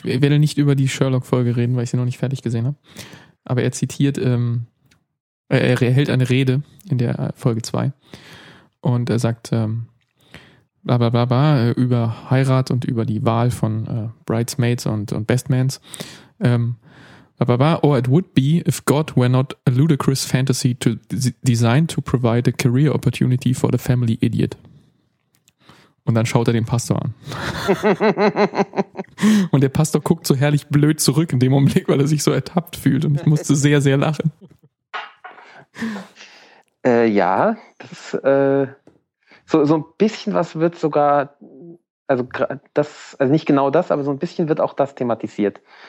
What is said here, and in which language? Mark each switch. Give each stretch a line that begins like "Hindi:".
German: Ich werde nicht über die Sherlock-Folge reden, weil ich sie noch nicht fertig gesehen habe. Aber er zitiert, er hält eine Rede in der Folge 2 und er sagt über Heirat und über die Wahl von Bridesmaids und Bestmans.
English: Or it would be if God were not a ludicrous fantasy designed to provide a career opportunity for the family idiot.
German: Und dann schaut er den Pastor an. Und der Pastor guckt so herrlich blöd zurück in dem Augenblick, weil er sich so ertappt fühlt. Und ich musste sehr, sehr lachen. Ja, das so ein bisschen was wird sogar, also das, also nicht genau das, aber so ein bisschen wird auch das thematisiert.